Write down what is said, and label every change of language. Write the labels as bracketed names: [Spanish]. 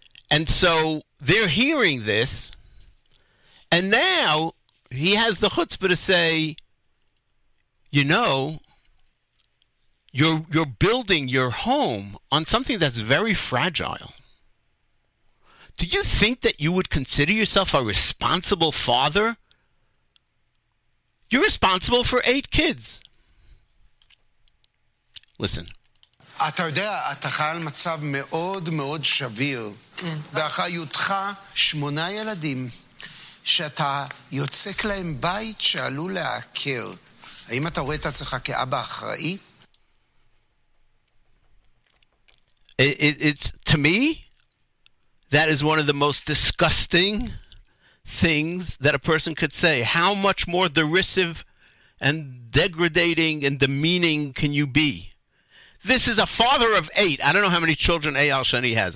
[English] And so they're hearing this. And now he has the chutzpah to say, "You know, you're building your home on something that's very fragile. Do you think that you would consider yourself a responsible father? You're responsible for 8 kids." Listen. [Hebrew] אתה יודע, אתה חי על מצב מאוד מאוד שביר. באחריותך 8 ילדים שאתה יוצק להם בית שעלול להעקר. האם אתה רואה את עצמך כאבא אחראי? [English] It's to me, that is one of the most disgusting things that a person could say. How much more derisive and degrading and demeaning can you be? This is a father of 8. I don't know how many children Eyal Sheni has.